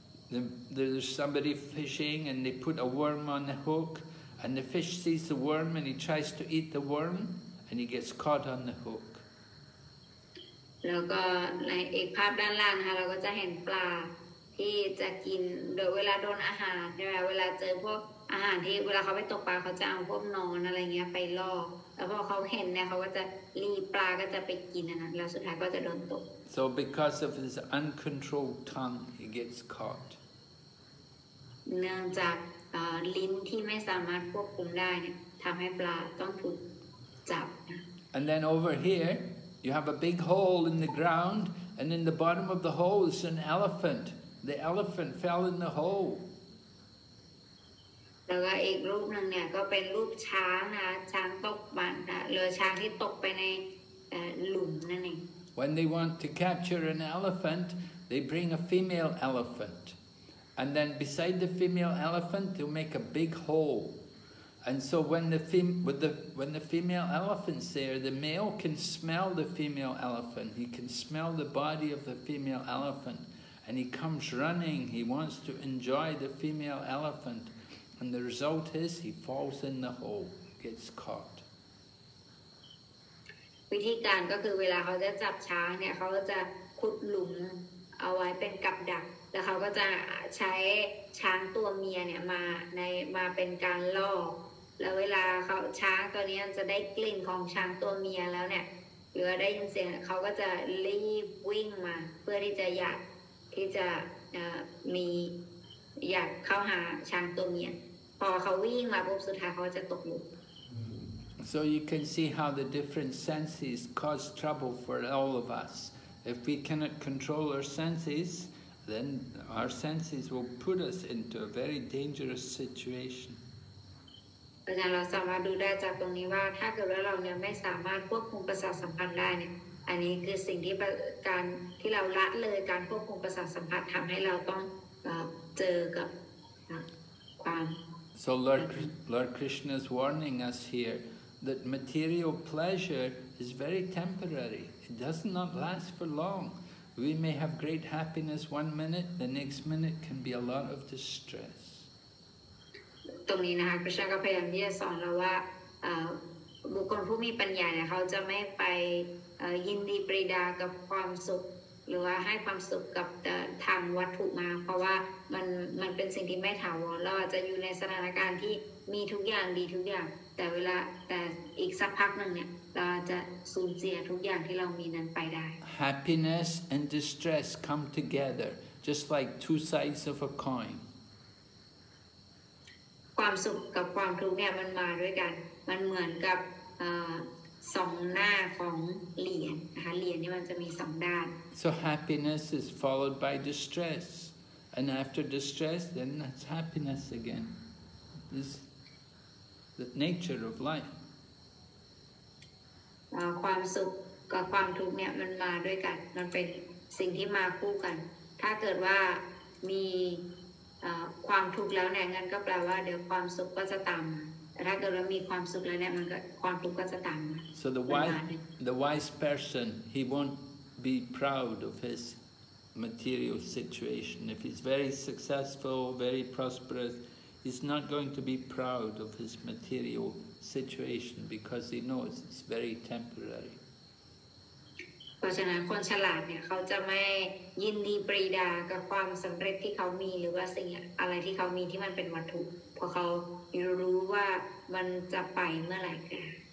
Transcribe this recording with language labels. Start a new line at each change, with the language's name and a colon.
English: There's somebody fishing and they put a worm on the hook. And the fish sees the worm and he tries to eat the worm and he gets caught on the hook.
Thai: แล้วก็ในอีกภาพด้านล่างค่ะเราก็จะเห็นปลาที่จะกินโดยเวลาโดนอาหารใช่ไหมเวลาเจอพวกอาหารที่เวลาเขาไปตกปลาเขาจะเอาพวกนอนอะไรเงี้ยไปล่อแล้วพอเขาเห็นเนี่ยเขาก็จะรีบปลาก็จะไปกินนะแล้วสุดท้ายก็จะโดนตก
English: So because of his uncontrolled tongue he gets caught
Thai: เนื่องจากลิ้นที่ไม่สามารถควบคุมได้เนี่ยทำให้ปลาต้องถูกจับ
English: And then over hereYou have a big hole in the ground, and in the bottom of the hole is an elephant. The elephant fell in the hole.
Thai: แล้วก็อีกรูปนึงเนี่ยก็เป็นรูปช้างนะช้างตกบันนะเรือช้างที่ตกไปในหลุมนั่นเอง
English: When they want to capture an elephant, they bring a female elephant. And then beside the female elephant, they'll make a big hole. And so when the female elephant's there, the male can smell the female elephant. He can smell the body of the female elephant. And he comes running. He wants to enjoy the female elephant. And the result is he falls in the hole, gets caught.
Thai: วิธีการก็คือเวลาเขาจะจับช้างเนี่ยเขาก็จะขุดหลุมเอาไว้เป็นกับดักแล้วเขาก็จะใช้ช้างตัวเมียเนี่ยมาเป็นการล่อแล้วเวลาเขาช้างตัวนี้จะได้กลิ่นของช้างตัวเมียแล้วเนี่ยหรือได้ยินเสียงเขาก็จะรีบวิ่งมาเพื่อที่จะอยากที่จะมีอยากเข้าหาช้างตัวเมียพอเขาวิ่งมาปุ๊บสุดท้ายเขาจะตกหลุม
English: So you can see how the different senses cause trouble for all of us. If we cannot control our senses, then our senses will put us into a very dangerous situation.
Thai: เพราะฉะนั้นเราสามารถดูได้จากตรงนี้ว่าถ้าเกิดว่าเราเนี่ยไม่สามารถควบคุมประสาทสัมผัสได้เนี่ยอันนี้คือสิ่งที่การที่เราละเลยการควบคุมประสาทสัมผัสทำให้เราต้องเจอกับความ
English: So Lord Krishna is warning us here that material pleasure is very temporary. It does not last for long. We may have great happiness 1 minute, the next minute can be a lot of distress.
Thai: ตรงนี้นะคะพระเจ้าก็พยายามที่จะสอนเราว่าบุคคลผู้มีปัญญาเนี่ยเขาจะไม่ไปยินดีปรีดากับความสุขหรือว่าให้ความสุขกับทางวัตถุมาเพราะว่ามันเป็นสิ่งที่ไม่ถาวรเราอาจจะอยู่ในสถานการณ์ที่มีทุกอย่างดีทุกอย่างแต่เวลาแต่อีกสักพักหนึ่งเนี่ยเราจะสูญเสียทุกอย่างที่เรามีนั้นไปได้
English: Happiness and distress come together just like two sides of a coin
Thai: ความสุขกับความทุกข์เนี่ยมันมาด้วยกันมันเหมือนกับสองหน้าของเหรียญนะคะเหรียญนี่มันจะมีสองด้าน
English: So happiness is followed by distress and after distress then that's happiness again this the nature of life
Thai: ความสุขกับความทุกข์เนี่ยมันมาด้วยกันมันเป็นสิ่งที่มาคู่กันถ้าเกิดว่ามีความทุกข์แล้วเนี่ยงั้นก็แปลว่าเดี๋ยวความสุขก็จะตามมาถ้าเกิดว่ามีความสุขแล้วเนี่ยมันก็ความทุกข์ก็จะตามมา
English: so the wise person he won't be proud of his material situation if he's very successful very prosperous he's not going to be proud of his materialsituation because he knows it's very temporary.
Thai: เพราะฉะนั้นคนฉลาดเนี่ยเขาจะไม่ยินดีปรีดากับความสำเร็จที่เขามีหรือว่าสิ่งอะไรที่เขามีที่มันเป็นวัตถุเพราะเขารู้ว่ามันจะไปเมื่อไหร่กัน